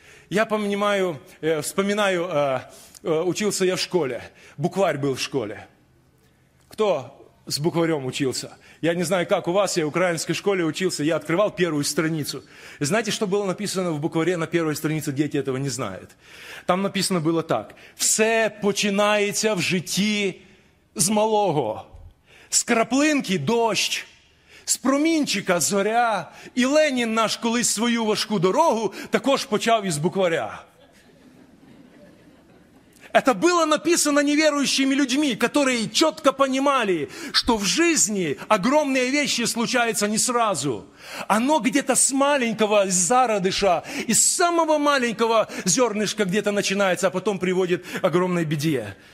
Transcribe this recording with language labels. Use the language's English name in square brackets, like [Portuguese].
[Russian] Я понимаю, вспоминаю, учился я в школе, букварь был в школе. Кто с букварем учился? Я не знаю, как у вас, я в украинской школе учился, я открывал первую страницу. Знаете, что было написано в букваре на первой странице? Дети этого не знают. Там написано было так. [Ukrainian] «Все починається в житті з малого. З краплинки дощ, з промінчика зоря. І Ленін наш колись свою важку дорогу також почав із букваря». [Russian] Это было написано неверующими людьми, которые четко понимали, что в жизни огромные вещи случаются не сразу. Оно где-то с маленького зародыша, из самого маленького зернышка где-то начинается, а потом приводит к огромной беде.